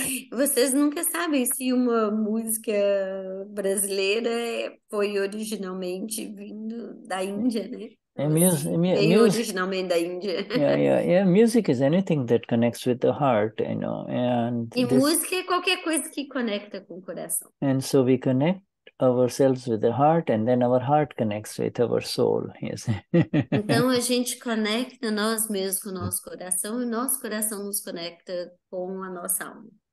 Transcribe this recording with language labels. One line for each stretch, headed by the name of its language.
Portuguese: Vocês nunca sabem se uma música brasileira foi originalmente vindo da Índia, né? Originalmente da Índia.
English: Yeah. Music is anything that connects with the heart, you know.
Portuguese: Música é qualquer coisa que conecta com o coração.
English: And so we connect ourselves with the heart, and then our heart connects with our soul. Yes.
Portuguese: Então a gente conecta nós mesmos com o nosso coração e nosso coração nos conecta com a nossa alma.